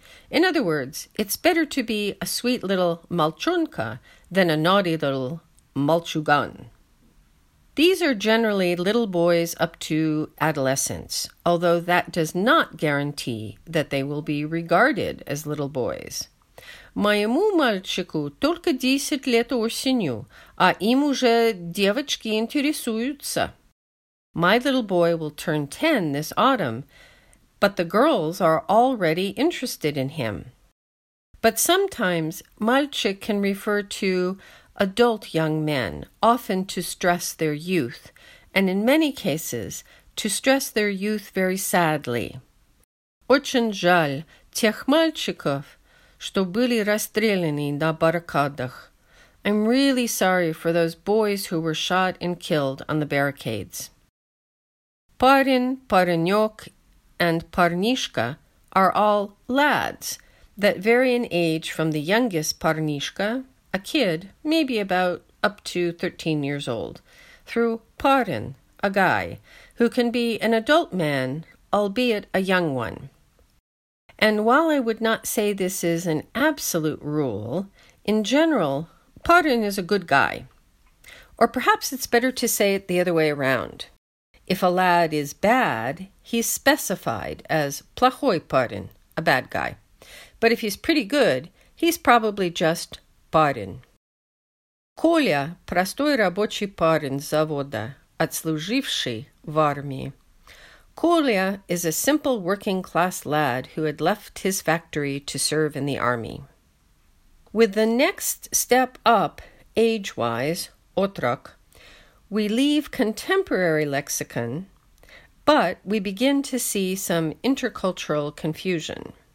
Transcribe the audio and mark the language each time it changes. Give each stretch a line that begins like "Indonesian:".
English: In other words, it's better to be a sweet little malchonka than a naughty little malchugan. These are generally little boys up to adolescence, although that does not guarantee that they will be regarded as little boys.
Russian: Моему мальчику только 10 лет осенью, а им уже девочки интересуются.
English: My little boy will turn 10 this autumn, but the girls are already interested in him. But sometimes, мальчик can refer to adult young men, often to stress their youth, and in many cases, to stress their youth very sadly.
Russian: Очень жаль тех мальчиков, что были расстреляны на баррикадах.
English: I'm really sorry for those boys who were shot and killed on the barricades. Парень, паренек, and парнишка are all lads that vary in age from the youngest парнишка, a kid, maybe about up to 13 years old, through парень, a guy, who can be an adult man, albeit a young one. And while I would not say this is an absolute rule, in general, парень is a good guy. Or perhaps it's better to say it the other way around. If a lad is bad, he's specified as
Russian: плохой парень,
English: a bad guy. But if he's pretty good, he's probably just парень.
Russian: Коля – простой рабочий парень завода, отслуживший в армии.
English: Коля is a simple working-class lad who had left his factory to serve in the army. With the next step up, age-wise, отрок, we leave contemporary lexicon, but we begin to see some intercultural confusion.